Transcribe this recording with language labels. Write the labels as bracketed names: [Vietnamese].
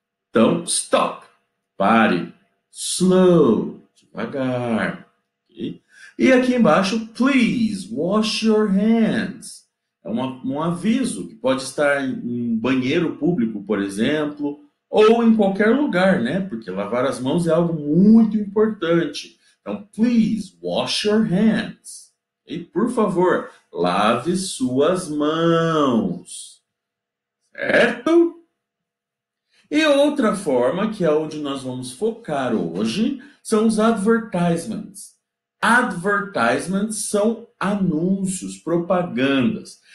[Portuguese] Então, stop, pare, slow, devagar. Okay? E aqui embaixo, [English] please wash your hands. [Portuguese] É um aviso que pode estar em um banheiro público, por exemplo, ou em qualquer lugar, né? Porque lavar as mãos é algo muito importante. [English] Então, please wash your hands. [Portuguese] E, por favor, lave suas mãos. Certo? E outra forma, que é onde nós vamos focar hoje, são os advertisements. Advertisements são anúncios, propagandas.